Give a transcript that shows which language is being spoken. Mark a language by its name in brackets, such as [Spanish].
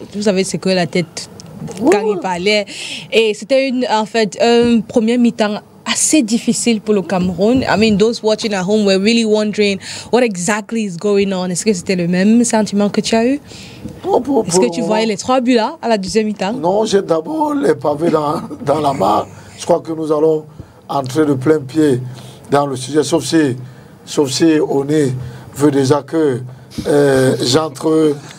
[French] Vous savez, c'est quoi la tête quand il parlait. Et c'était un premier mi-temps assez difficile pour le Cameroun. [English] I mean, those watching at home were really wondering what exactly is going on. [French] Est-ce que c'était le même sentiment que tu as eu? Est-ce que tu voyais les 3 buts là à la deuxième mi-temps? Non, j'ai d'abord les pavés dans la main. Je crois que nous allons entrer de plein pied dans le sujet, sauf si on veut déjà que j'entre